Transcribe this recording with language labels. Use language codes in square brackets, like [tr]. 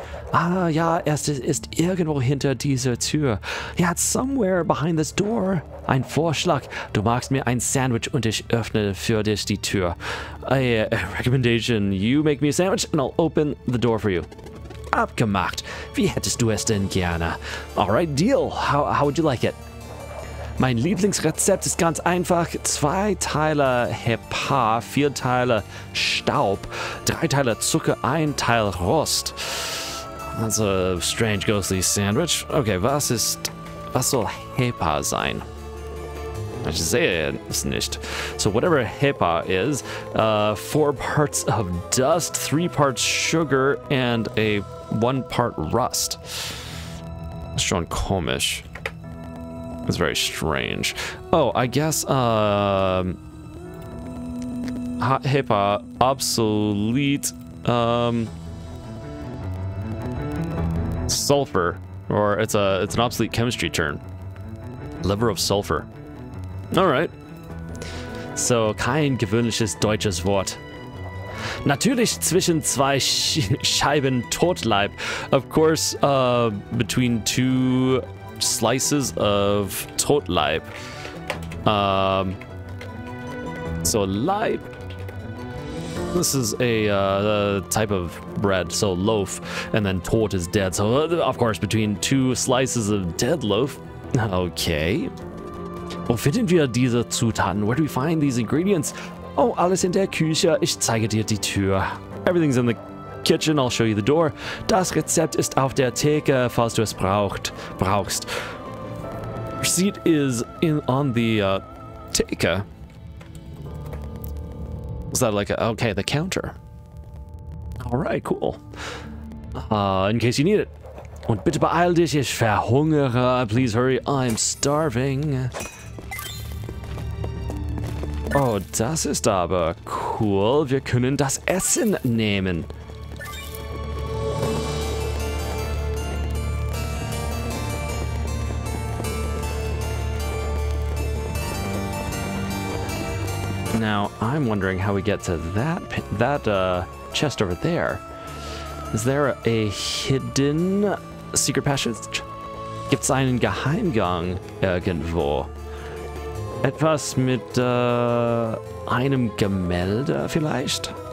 [de] Ah, ja, ist irgendwo hinter dieser Tür. [en] Yeah, it's somewhere behind this door. [de] Ein Vorschlag. Du machst mir ein Sandwich und ich öffne für dich die Tür. [en] A recommendation. You make me a sandwich and I'll open the door for you. [de] Abgemacht. Wie hättest du es denn gerne? [en] All right, deal. How would you like it? [de] Mein Lieblingsrezept ist ganz einfach. 2 Teile Hepa, 4 Teile Staub, 3 Teile Zucker, 1 Teil Rost. [en] That's a strange ghostly sandwich. [de] Okay, was soll Hepa sein? Ich sehe es nicht. [en] So whatever Hepa is, 4 parts of dust, 3 parts sugar and a 1 part rust. [de] Ist schon komisch. [en] It's very strange. Oh, I guess Hepa obsolete sulfur, or it's an obsolete chemistry term. Liver of sulfur. Alright. [de] So, kein gewöhnliches deutsches Wort. Natürlich zwischen 2 Scheiben Totleib. [en] Of course, between 2 slices of Totleib. So, Leib. This is a type of bread, so loaf, and then tort is dead. So, of course, between 2 slices of dead loaf. Okay. [de] Wo finden wir diese Zutaten? [en] Where do we find these ingredients? [de] Oh, alles in der Küche. Ich zeige dir die Tür. [en] Everything's in the kitchen. I'll show you the door. [de] Das Rezept ist auf der Theke, falls du es brauchst. [en] Receipt is on the Theke. Is that like a, okay, the counter. Alright, cool. In case you need it. [de] Und bitte beeil dich, ich verhungere. [en] Please hurry, I'm starving. [de] Oh, das ist aber cool. Wir können das Essen nehmen. [en] Now, I'm wondering how we get to that chest over there. Is there a hidden secret passage? [de] Gibt's einen Geheimgang irgendwo? Etwas mit einem Gemälde vielleicht?